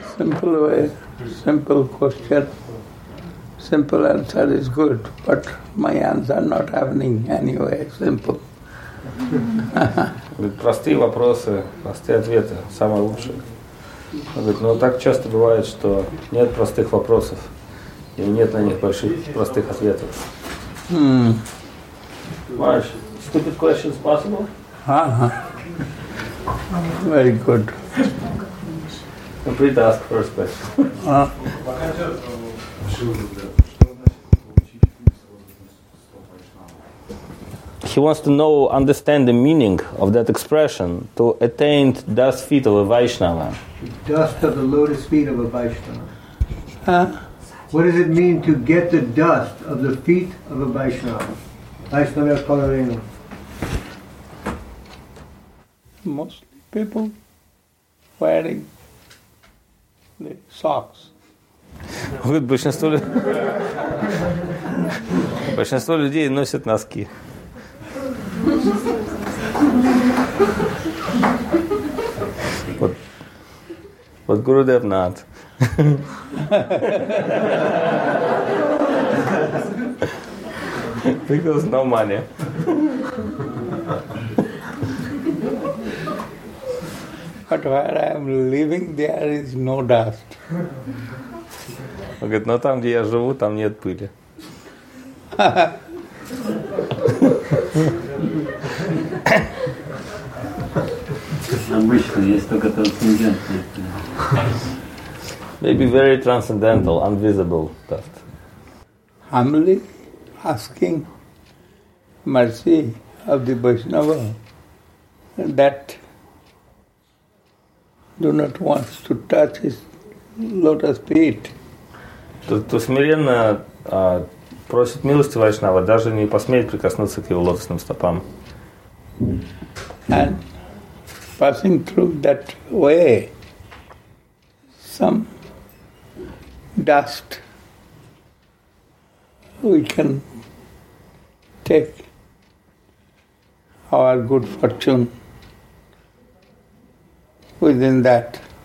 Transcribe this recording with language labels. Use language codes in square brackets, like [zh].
[en] simple way, simple question, simple answer is good, but my answer not happening anyway, simple. [ru] Говорит, простые вопросы, простые ответы, самое лучшее. Говорит, ну так часто бывает, что нет простых вопросов, или нет на них больших простых ответов. [en] Маш, stupid questions possible? Ага. Very good. Complete ask first question. He wants to know, understand the meaning of that expression, to attain dust feet of a Vaishnava. Dust of the lotus feet of a Vaishnava. What does it mean to get the dust of the feet of a Vaishnava? Vaishnava Kalarena. Mostly people wearing the socks. [ru] Большинство людей носят носки. [en] But Gurudev not. Because no money. But where I am living, there is no dust. [ru] Он говорит, но там, где я живу, там нет пыли. Обычно есть только трансцендентный. [en] Maybe very transcendental, invisible dust. I'm asking mercy of the Vaishnava that do not want to touch his lotus feet. [ru] То смиренно просит милости Вайшнава, даже не посмеет прикоснуться к его лотосным стопам. [en] And passing through that way, some dust we can take our good fortune within that.